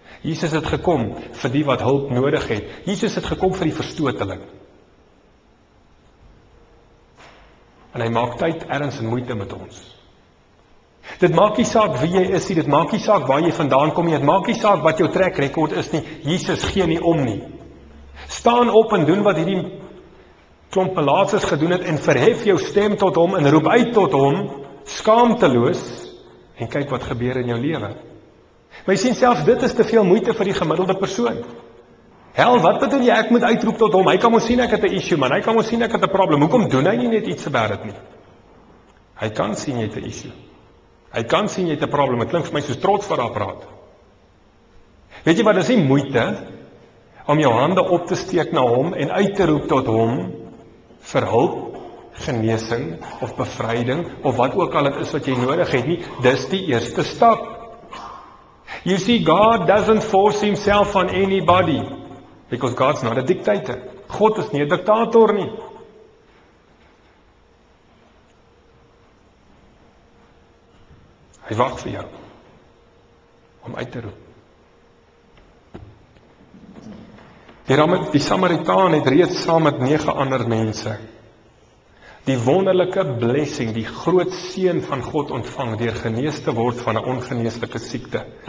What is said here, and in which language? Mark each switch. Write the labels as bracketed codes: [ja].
[af] Jesus het gekom vir die wat hulp nodig het. Jesus het gekom vir die verstoteling. En hy maak tyd, erns en moeite met ons. Dit maak nie saak wie jy is nie, dit maak nie saak waar jy vandaan kom nie, dit maak nie saak wat jou track record is nie, Jesus gee nie om nie. Staan op en doen wat hierdie klomp pelaatses gedoen het en verhef jou stem tot hom en roep uit tot hom, skaamteloos, en kyk wat gebeur in jou lewe. Maar jy sien selfs, dit is te veel moeite vir die gemiddelde persoon. Hel, wat bedoel jy, ek moet uitroep tot hom, hy kan ons sien ek het 'n issue man, hy kan ons sien ek het 'n probleem, hoekom doen hy nie net iets [en] about it [af] nie? Hy kan sien jy het 'n issue. Hy kan sien jy het 'n probleem, het klink vir my soos trots wat daar praat. Weet jy wat, dis nie moeite om jou hande op te steek na hom en uit te roep tot hom vir hulp, genesing of bevryding of wat ook al het is wat jy nodig het nie, dis die eerste stap. [en] You see, God doesn't force himself on anybody because God's not a dictator. [af] God is nie 'n diktator nie. Hy wag vir jou om uit te roep. Die Samaritaan het reeds saam met 9 ander mense die wonderlike blessing, die groot seën van God ontvang deur genees te word van 'n ongeneeslike siekte.